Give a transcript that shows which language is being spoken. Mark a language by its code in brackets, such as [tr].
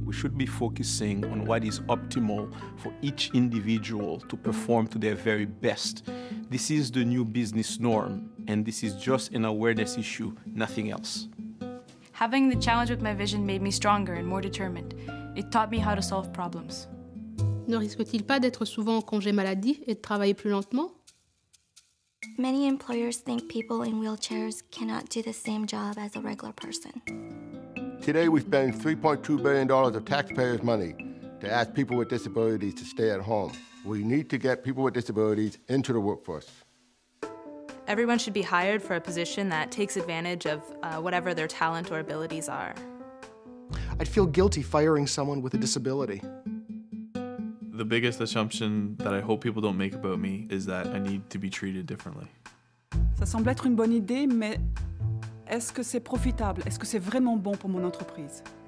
[en] We should be focusing on what is optimal for each individual to perform to their very best. This is the new business norm, and this is just an awareness issue, nothing else. Having the challenge with my vision made me stronger and more determined. It taught me how to solve problems. [fr] Ne risque-t-il pas d'être souvent en congé maladie et de travailler plus lentement? [en] Many employers think people in wheelchairs cannot do the same job as a regular person. Today we spend $3.2 billion of taxpayers' money to ask people with disabilities to stay at home. We need to get people with disabilities into the workforce. Everyone should be hired for a position that takes advantage of whatever their talent or abilities are. I'd feel guilty firing someone with a disability. The biggest assumption that I hope people don't make about me is that I need to be treated differently. [fr] Ça semble être une bonne idée, mais est-ce que c'est profitable? Est-ce que c'est vraiment bon pour mon entreprise?